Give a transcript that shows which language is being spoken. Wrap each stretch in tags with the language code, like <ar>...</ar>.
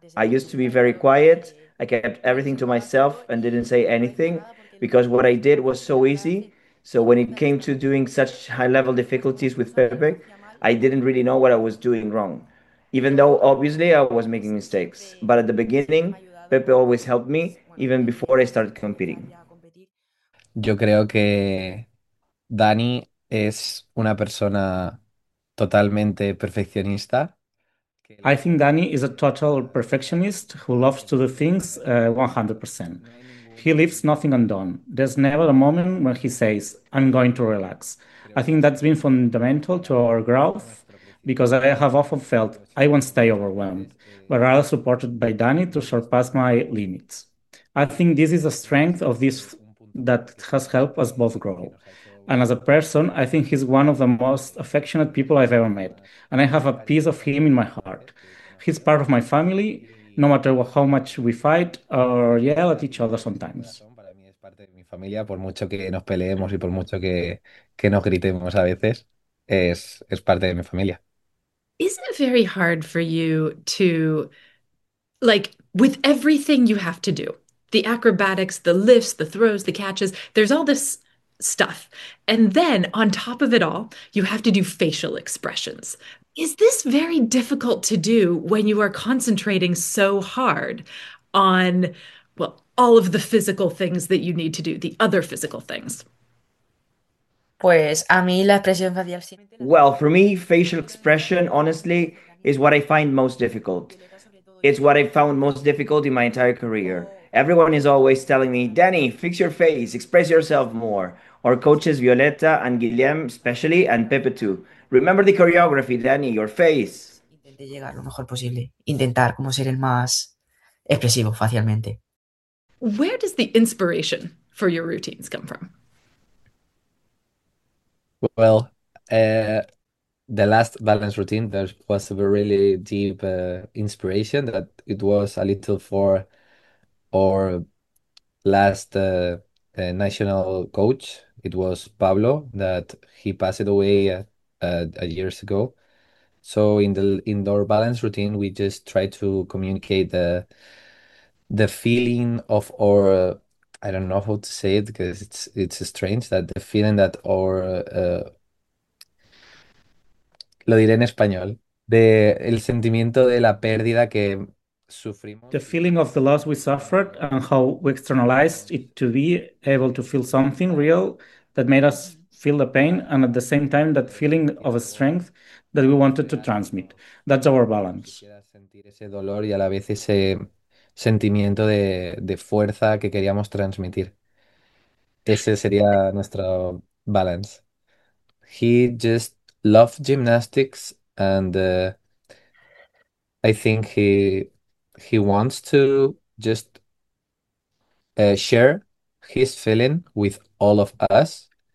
<en>I used to be very quiet. I kept everything to myself and didn't say anything because what I did was so easy. So when it came to doing such high-level difficulties with Pepe, I didn't really know what I was doing wrong, even though, obviously, I was making mistakes. But at the beginning, Pepe always helped me, even before I started competing.</en> <es>Yo creo que Dani es una persona totalmente perfeccionista.</es> <en>I think Dani is a total perfectionist who loves to do things 100%. He leaves nothing undone. There's never a moment when he says, I'm going to relax. I think that's been fundamental to our growth because I have often felt I won't stay overwhelmed, but rather supported by Dani to surpass my limits. I think this is a strength of this that has helped us both grow. And as a person, I think he's one of the most affectionate people I've ever met. And I have a piece of him in my heart. He's part of my family, no matter how much we fight or yell at each other sometimes.</en> <es>Para mí es parte de mi familia, por mucho que nos peleemos y por mucho que nos gritemos a veces, es parte de mi familia.</es> <en>Isn't it very hard for you to, like, with everything you have to do, the acrobatics, the lifts, the throws, the catches, there's all this stuff. And then on top of it all, you have to do facial expressions. Is this very difficult to do when you are concentrating so hard on, well, all of the physical things that you need to do, the other physical things?</en> <es>Pues a mí la expresión facial simplemente la tengo</es> <en>Well, for me, facial expression, honestly, is what I find most difficult. It's what I found most difficult in my entire career. Everyone is always telling me, Danny, fix your face, express yourself more. Or coaches Violeta and Guillem, especially, and Pepe too. Remember the choreography, Danny, your face.</en> <es>Intenté llegar lo mejor posible, intentar como ser el más expresivo facialmente.</es> <en>Where does the inspiration for your routines come from? Well, the last balance routine, there was a really deep inspiration that it was a little for our last national coach. It was Pablo that he passed away a years ago. So in the indoor balance routine, we just try to communicate the feeling of our I don't know how to say it because it's strange that the feeling that our</en> <es>lo diré en español, de el sentimiento de la pérdida que</es> <en>The</en> <es>sufrimos y</es> <en>feeling of the loss we suffered and how we externalized it to be able to feel something real that made us feel the pain and at the same time that feeling of a strength that we wanted to transmit. That's our balance.</en> <es>quisiera sentir ese dolor y a la vez ese sentimiento de fuerza que queríamos transmitir. Ese sería nuestro balance.</es> <en>He just loved gymnastics and I think he wants to just share his feeling with all of us.</en>